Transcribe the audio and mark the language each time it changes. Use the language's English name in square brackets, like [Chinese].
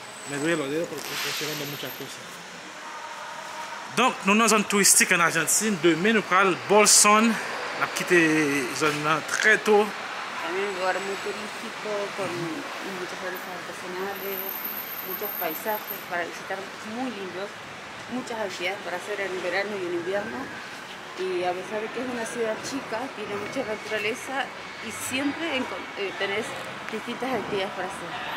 [Spanish] Me duele los dedos porque estoy llevando muchas cosas. [French] Donc, nous sommes en touristique en Argentine. Demain, nous allons à Bolson. Nous allons quitter la zone très tôt. [Spanish] Un lugar muy turístico, con muchas áreas artesanales, muchos paisajes para visitar, muy lindos, muchas actividades para hacer en verano y en invierno. Y a pesar de que es una ciudad chica, tiene mucha naturaleza y siempre tenés distintas actividades para hacer.